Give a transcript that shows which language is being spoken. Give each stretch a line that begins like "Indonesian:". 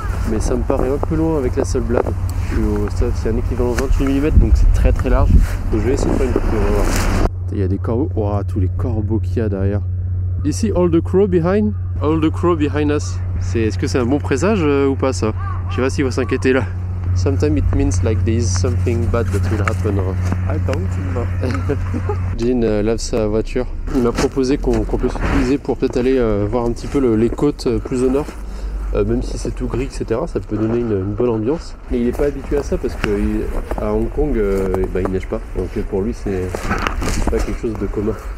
French: Mais ça me paraît un peu loin avec la seule blade. C'est un équivalent 28 mm donc c'est très très large. Donc je vais essayer de faire une coupure. Il y a des corbeaux, waouh, tous les corbeaux qu'il y a derrière.
English: You see all the crow behind? All the crow behind us.
French: Est-ce que c'est un bon présage ou pas ça? Je sais pas s'il va s'inquiéter là.
English: Sometimes it means like there is something bad that will happen. I don't know.
French: Jean lave sa voiture. Il m'a proposé qu'on puisse l'utiliser pour peut-être aller voir un petit peu les côtes plus au nord. Même si c'est tout gris, etc. Ça peut donner une bonne ambiance. Mais il n'est pas habitué à ça parce qu'à Hong Kong, il neige pas. Donc pour lui, c'est pas quelque chose de commun.